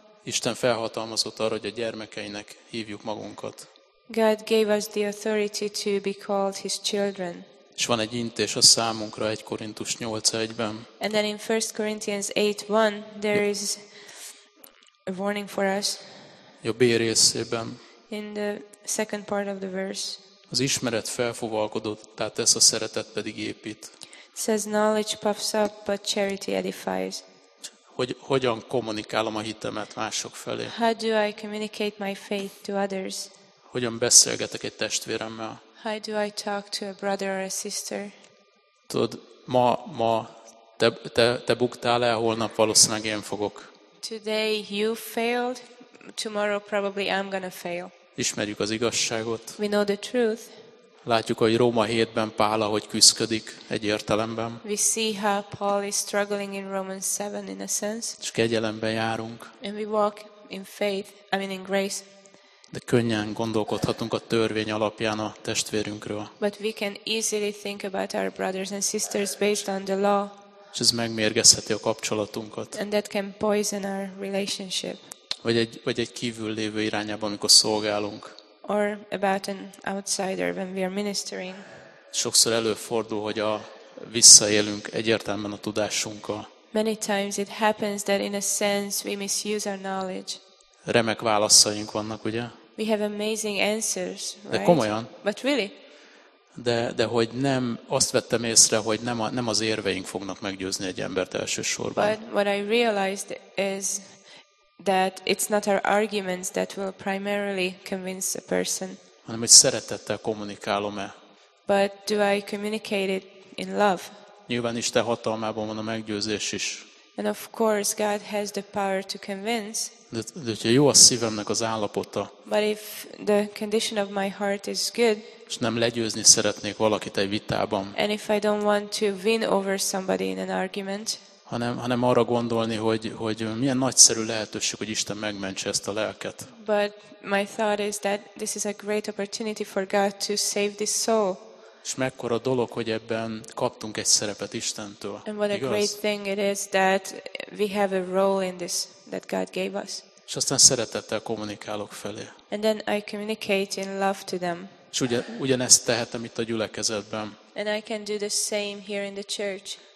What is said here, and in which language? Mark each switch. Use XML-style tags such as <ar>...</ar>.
<hu>Isten felhatalmazott arra, hogy a gyermekeinek hívjuk magunkat.</hu> <en>God gave us the authority to be called his children.</en> <hu>És van egy intés a számunkra 1 Korintus 8:1-ben.</hu> <en>And then in 1 Corinthians 8:1 there is a warning for us.</en> <hu>A B részében.</hu> <en>In the second part of the verse.</en> <hu>Az ismeret felfúvalkodott, tehát ez a szeretet pedig épít.</hu> <en>Says knowledge puffs up, but charity edifies.</en> <hu>Hogyan kommunikálom a hitemet mások felé?</hu> <en>How do I communicate my faith to others?</en> <hu>Hogyan beszélgetek egy testvéremmel?</hu> <en>How do I talk to a brother or a sister?</en> <hu>Tudod, ma te buktál el, holnap valószínűleg én fogok.</hu> <en>Today you failed, tomorrow probably I'm gonna fail.</en> <hu>Ismerjük az igazságot.</hu> <en>We know the truth.</en> <hu>Látjuk, hogy Róma 7-ben Pál ahogy küszködik egy értelemben.</hu> <en>We see how Paul is struggling in Romans 7 in a sense.</en> <hu>És kegyelemben járunk.</hu> <en>And we walk in faith, I mean in grace.</en> <hu>De könnyen gondolkodhatunk a törvény alapján a testvérünkről.</hu> <en>But we can easily think about our brothers and sisters based on the law.</en> <hu>És ez megmérgezheti a kapcsolatunkat.</hu> <en>And that can poison our relationship.</en> <hu>Vagy egy kívül lévő irányában, amikor szolgálunk.</hu> <en>Or about an outsider when we are ministering.</en> <hu>Sokszor előfordul, hogy a visszaélünk egyértelműen a tudásunkkal.</hu> <en>Many times it happens that in a sense we misuse our knowledge.</en> <hu>Remek válaszaink vannak, ugye?</hu> <en>We have amazing answers, right?</en> <hu>De komolyan.</hu> <en>But really?</en> <hu>De hogy nem azt vettem észre, hogy nem az érveink fognak meggyőzni egy embert elsősorban.</hu> <en>But what I realized is that it's not our arguments that will primarily convince a person.</en> <hu>Hanem, hogy szeretettel kommunikálom-e.</hu> <en>But do I communicate it in love?</en> <hu>Nyilván Isten hatalmában van a meggyőzés is.</hu> <en>And of course God has the power to convince.</en> <hu>De hogyha jó a szívemnek az állapota.</hu> <en>But if the condition of my heart is good.</en> <hu>És nem legyőzni szeretnék valakit egy vitában.</hu> <en>And if I don't want to win over somebody in an argument.</en> <hu>Hanem arra gondolni, hogy milyen nagyszerű lehetőség, hogy Isten megmentse ezt a lelket.</hu> <en>But my thought is that this is a great opportunity for God to save this soul.</en> <hu>És mekkora dolog, hogy ebben kaptunk egy szerepet Istentől.</hu> <en>And what a great thing it is that we have a role in this that God gave us.</en> <hu>És aztán szeretettel kommunikálok felé.</hu> <en>And then I communicate in love to them.</en> <hu>És ugyanezt tehetem itt a gyülekezetben.</hu> <en>And I can do the same here in the church.</en>